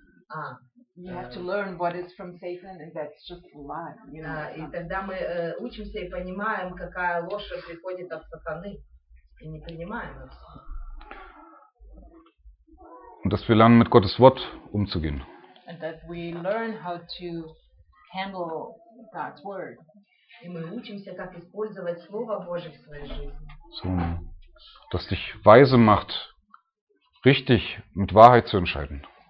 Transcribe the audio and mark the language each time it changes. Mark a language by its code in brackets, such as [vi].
[en] Ah, you have to learn what is from Satan and that's just a lie. [ru] И тогда мы учимся и понимаем, какая ложь приходит от сатаны и не принимаем ее. [de] Und dass wir lernen, mit Gottes Wort umzugehen. [en] And that we learn how to handle God's word. [ru] И мы учимся, как использовать Слово Божие в своей жизни. [de] So, das dich weise macht, richtig mit Wahrheit zu entscheiden.